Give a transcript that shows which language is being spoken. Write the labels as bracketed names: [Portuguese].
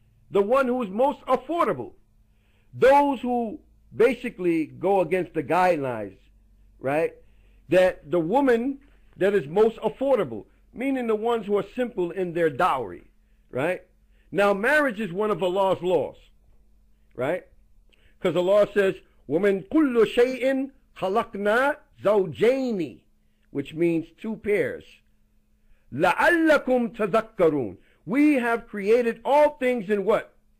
[English] The one who is most affordable. Those who basically go against the guidelines, right? That the woman that is most affordable, meaning the ones who are simple in their dowry, right? Now, marriage is one of Allah's laws, right? Because Allah says, [Arabic] وَمِنْ كُلُّ شَيْءٍ خَلَقْنَا زَوْجَيْنِ, [English] which means two pairs. [Arabic] لَعَلَّكُمْ تَذَكَّرُونَ. [English] We have created all things in what?